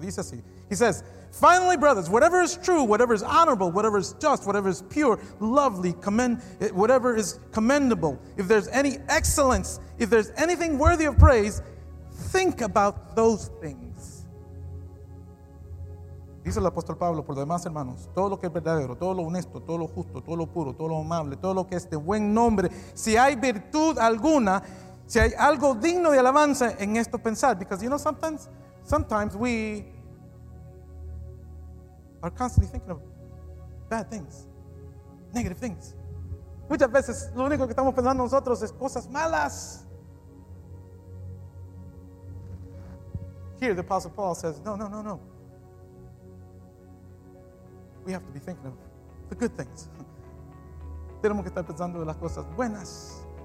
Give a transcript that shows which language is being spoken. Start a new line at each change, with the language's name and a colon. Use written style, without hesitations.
Spanish: Dice así.
English: He says, finally, brothers, whatever is true, whatever is honorable, whatever is just, whatever is pure, lovely, whatever is commendable, if there's any excellence, if there's anything worthy of praise, think about those things.
Spanish: Dice el apóstol Pablo, por lo demás, hermanos, todo lo que es verdadero, todo lo honesto, todo lo justo, todo lo puro, todo lo amable, todo lo que es de buen nombre, si hay virtud alguna, si hay algo digno de alabanza, en esto pensar.
English: Because, you know, sometimes we are constantly thinking of bad things, negative things.
Spanish: Muchas veces lo único que estamos pensando nosotros es cosas malas.
English: Here the Apostle Paul says, no. We have to be thinking of the good things.
Spanish: Tenemos que estar pensando en las cosas buenas.